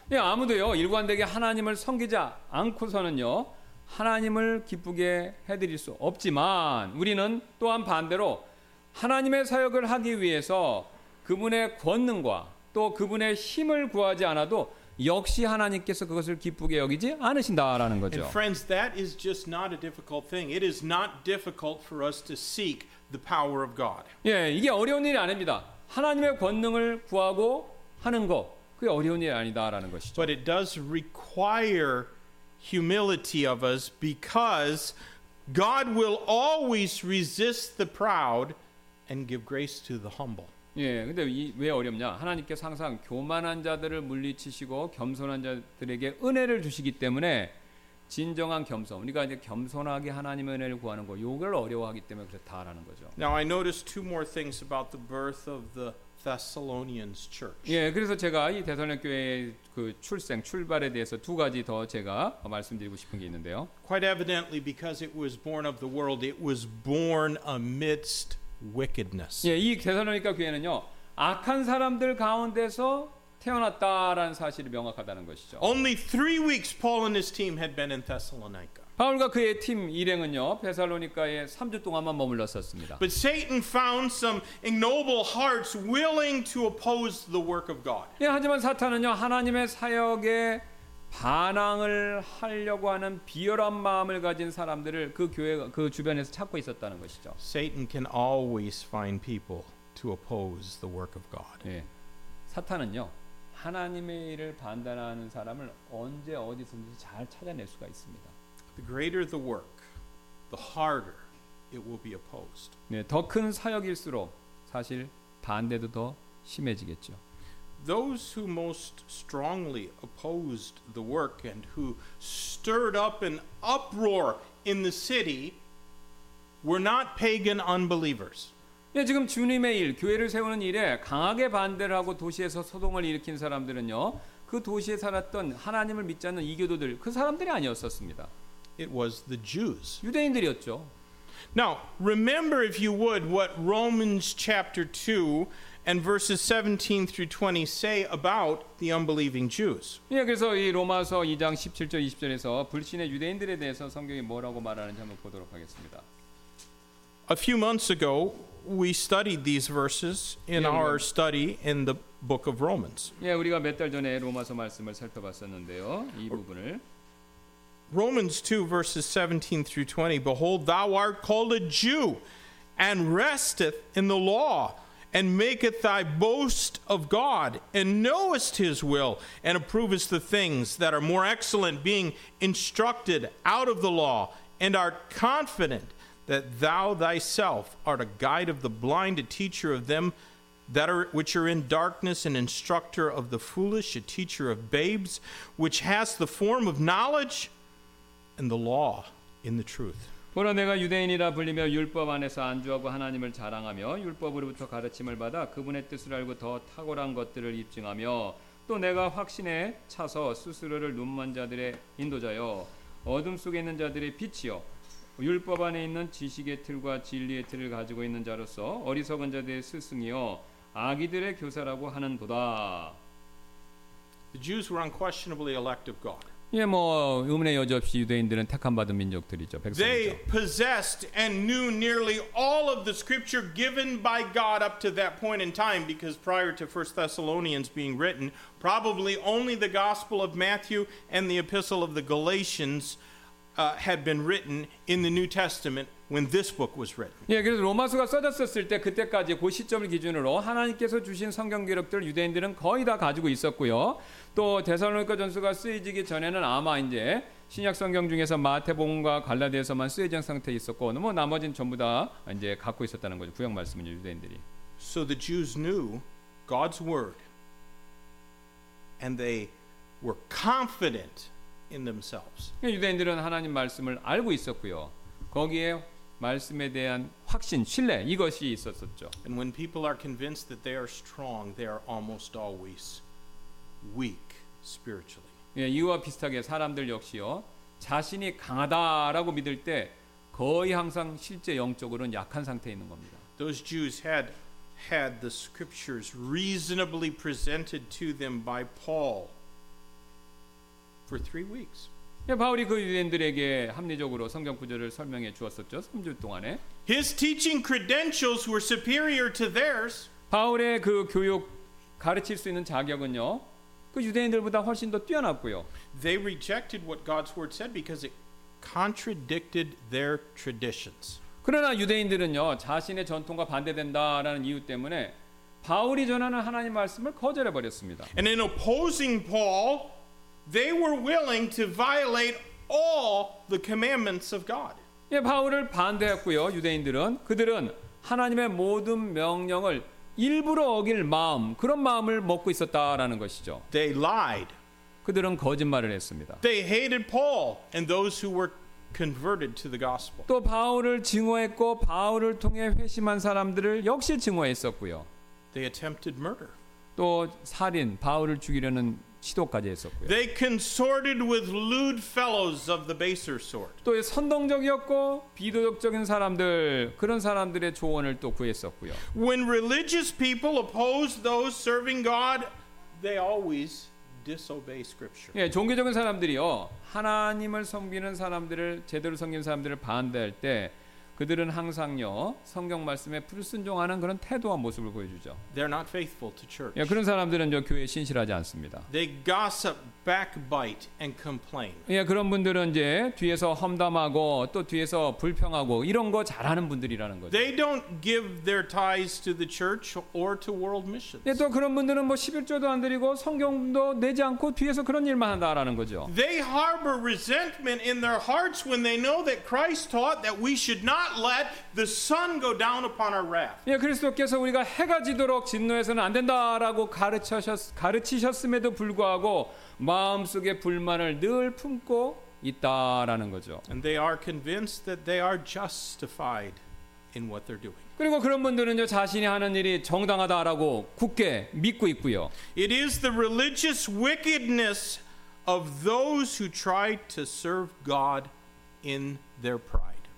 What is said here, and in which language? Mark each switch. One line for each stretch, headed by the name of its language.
Korean: 예, 아무도요 일관되게 하나님을 섬기지 않고서는요 하나님을 기쁘게 해드릴 수 없지만 우리는 또한 반대로 하나님의 사역을 하기 위해서 그분의 권능과 또 그분의 힘을 구하지 않아도 역시 하나님께서 그것을 기쁘게 여기지 않으신다라는 거죠.
English: And friends, that is just not a difficult thing. It is not difficult for us to seek the power of God.
Korean: 예, 이게 어려운 일이 아닙니다. 하나님의 권능을 구하고 하는 거 그게 어려운 일이 아니다라는 것이죠.
English: But it does require humility of us because God will always resist the proud and give grace to the humble.
Korean: 예, 근데 이 왜 어렵냐? 하나님께서 항상 교만한 자들을 물리치시고 겸손한 자들에게 은혜를 주시기 때문에 진정한 겸손, 우리가 이제 겸손하게 하나님의 은혜를 구하는 거, 요걸 어려워하기 때문에 그렇다라는 거죠.
English: Now I noticed two more things about the birth of the Thessalonians church.
Korean: 예, 그래서 제가 이 데살로니가 교회의 그 출생, 출발에 대해서 두 가지 더 제가 말씀드리고 싶은 게 있는데요.
English: Quite evidently because it was born of the world, it was born amidst wickedness.
Korean: 예, 이 데살로니가 교회는요, 악한 사람들 가운데서 태어났다라는 사실이 명확하다는 것이죠.
English: Only 3 weeks Paul and his team had been in Thessalonica.
Korean: 바울과 그의 팀 일행은요, 데살로니가에 3주 동안만 머물렀었습니다.
English: But Satan found some ignoble hearts willing to oppose the work of God.
Korean: 예, 하지만 사탄은요, 하나님의 사역에 반항을 하려고 하는 비열한 마음을 가진 사람들을 그 교회 그 주변에서 찾고 있었다는 것이죠.
English: Satan can always find people to oppose the work of God.
Korean: 예. 사탄은요 하나님의 일을 반대하는 사람을 언제 어디서든지 잘 찾아낼 수가 있습니다.
English: The greater the work, the harder it will be opposed.
Korean: 네, 더 큰 사역일수록 사실 반대도 더 심해지겠죠.
English: Those who most strongly opposed the work and who stirred up an uproar in the city were not pagan unbelievers.
Korean: 예, 지금 주님의 일, 교회를 세우는 일에 강하게 반대를 하고 도시에서 소동을 일으킨 사람들은요, 그 도시에 살았던 하나님을 믿지 않는 이교도들, 그 사람들이 아니었었습니다.
English: It was the Jews.
Korean: 유대인들이었죠.
English: Now, remember if you would what Romans chapter 2 and verses 17 through 20 say about the unbelieving Jews.
Korean: 예, 그래서 이 로마서 2장 17절 20절에서 불신의 유대인들에 대해서 성경이 뭐라고 말하는지 한번 보도록 하겠습니다.
English: A few months ago, we studied these verses in our study in the book of Romans.
Korean: 예, 우리가 몇 달 전에 로마서 말씀을 살펴봤었는데요. 이 부분을
English: Romans 2 verses 17 through 20. Behold, thou art called a Jew and resteth in the law and maketh thy boast of God, and knowest his will, and approvest the things that are more excellent, being instructed out of the law, and art confident that thou thyself art a guide of the blind, a teacher of them that are which are in darkness, an instructor of the foolish, a teacher of babes, which hast the form of knowledge and the law in the truth.
Korean: 보라 내가 유대인이라 불리며 율법 안에서 안주하고 하나님을 자랑하며 율법으로부터 가르침을 받아 그분의 뜻을 알고 더 탁월한 것들을 입증하며 또 내가 확신에 차서 스스로를 눈먼 자들의 인도자여 어둠 속에 있는 자들의 빛이여 율법 안에 있는 지식의 틀과 진리의 틀을 가지고 있는 자로서 어리석은 자들의 스승이여 아기들의 교사라고 하는 도다.
English: The Jews were unquestionably elect of God.
Korean: 예, 뭐 의문의 여지 없이 유대인들은 택함 받은 민족들이죠. 백성이죠.
English: They possessed and knew nearly all of the scripture given by God up to that point in time because prior to 1 Thessalonians being written, probably only the Gospel of Matthew and the Epistle of the Galatians had been written in the New Testament when this book was written.
Korean: 예, 그래서 로마서가 써졌었을 때 그때까지 그 시점을 기준으로 하나님께서 주신 성경 기록들 유대인들은 거의 다 가지고 있었고요. 또 데살로니가 전서가 쓰여지기 전에는 아마 이제 신약 성경 중에서 마태복음과 갈라디아서만 쓰여진 상태에 있었고 뭐 나머진 전부 다 이제 갖고 있었다는 거죠. 구약 말씀은 유대인들이.
English: So the Jews knew God's word and they were confident in themselves.
Korean: 유대인들은 하나님 말씀을 알고 있었고요. 거기에 말씀에 대한 확신, 신뢰 이것이 있었었죠.
English: And when people are convinced that they are strong, they are almost always weak spiritually.
Korean: 예, 이와 비슷하게 사람들 역시요. 자신이 강하다라고 믿을 때 거의 항상 실제 영적으로는 약한 상태에 있는 겁니다.
English: Those Jews had the scriptures reasonably presented to them by Paul for 3 weeks.
Korean: 예, 바울이 그 유대인들에게 합리적으로 성경 구절을 설명해 주었었죠. 3주 동안에.
English: His teaching credentials were superior to theirs.
Korean: 바울의 그 교육 가르칠 수 있는 자격은요. 그 유대인들보다 훨씬 더 뛰어났고요.
English: They rejected what God's word said because it contradicted their traditions.
Korean: 그러나 유대인들은요, 자신의 전통과 반대된다라는 이유 때문에 바울이 전하는 하나님 말씀을 거절해 버렸습니다.
English: And in opposing Paul, they were willing to violate all the commandments of God.
Korean: 예, 바울을 반대했고요. 유대인들은 그들은 하나님의 모든 명령을 일부러 어길 마음, 그런 마음을 먹고 있었다라는 것이죠.
English: They lied.
Korean: 그들은 거짓말을 했습니다.
English: They hated Paul and those who were converted to the gospel.
Korean: 또 바울을 증오했고 바울을 통해 회심한 사람들을 역시 증오했었고요.
English: They attempted murder.
Korean: 또 살인, 바울을 죽이려는 시도까지 했었고요.
English: They consorted with lewd fellows of the baser sort.
Korean: 또 선동적이었고 비도덕적인 사람들 그런 사람들의 조언을 또 구했었고요.
English: When religious people oppose those serving God, they always disobey scripture.
Korean: 예, 종교적인 사람들이요. 하나님을 섬기는 사람들을 제대로 섬기는 사람들을 반대할 때 그들은 항상요 성경 말씀에 불순종하는 그런 태도와 모습을 보여주죠.
English: They're not faithful to church.
Korean: 예, 그런 사람들은 저 교회에 신실하지 않습니다.
English: They gossip, backbite, and complain.
Korean: 예, 그런 분들은 이제 뒤에서 험담하고 또 뒤에서 불평하고 이런 거 잘하는 분들이라는 거죠.
English: They don't give their tithes to the church or to world missions.
Korean: 예, 또 그런 분들은 뭐 십일조도 안 드리고 성경도 내지 않고 뒤에서 그런 일만 한다라는 거죠.
English: They harbor resentment in their hearts when they know that Christ taught that we should not let the sun go down upon our wrath.
Korean: 예, 그리스도께서 우리가 해가 지도록 진노해서는 안 된다라고 가르치셨음에도 불구하고 마음속에 불만을 늘 품고 있다라는 거죠.
English: And they are convinced that they are justified in what they're doing.
Korean: 그리고 그런 분들은요, 자신이 하는 일이 정당하다라고 굳게 믿고 있고요.
English: It is the religious wickedness of those who try to serve God in their pride.